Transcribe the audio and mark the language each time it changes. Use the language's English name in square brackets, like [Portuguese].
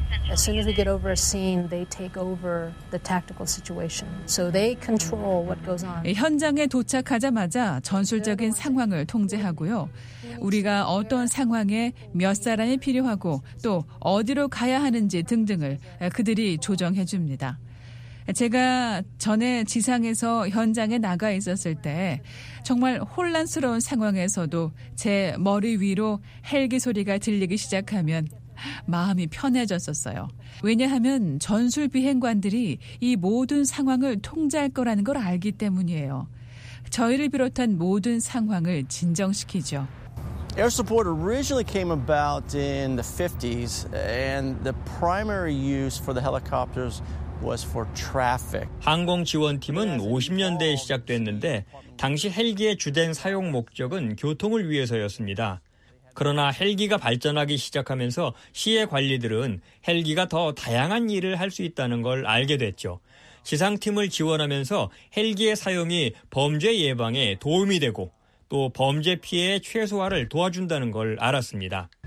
[English] As soon as we get over a scene, they take over the tactical situation. So they control what goes on. [Korean] 현장에 도착하자마자 전술적인 상황을 통제하고요. 우리가 어떤 상황에 몇 사람이 필요하고 또 어디로 가야 하는지 등등을 그들이 조정해 줍니다. 제가 전에 지상에서 현장에 나가 있었을 때 정말 혼란스러운 상황에서도 제 머리 위로 헬기 소리가 들리기 시작하면 마음이 편해졌었어요. 왜냐하면 전술 비행관들이 이 모든 상황을 통제할 거라는 걸 알기 때문이에요. 저희를 비롯한 모든 상황을 진정시키죠. [English] Air support originally came about in the 50s and the primary use for the helicopters was for traffic. [Korean] 항공 지원팀은 50년대에 시작됐는데 당시 헬기의 주된 사용 목적은 교통을 위해서였습니다. 그러나 헬기가 발전하기 시작하면서 시의 관리들은 헬기가 더 다양한 일을 할 수 있다는 걸 알게 됐죠. 지상팀을 지원하면서 헬기의 사용이 범죄 예방에 도움이 되고 또 범죄 피해의 최소화를 도와준다는 걸 알았습니다.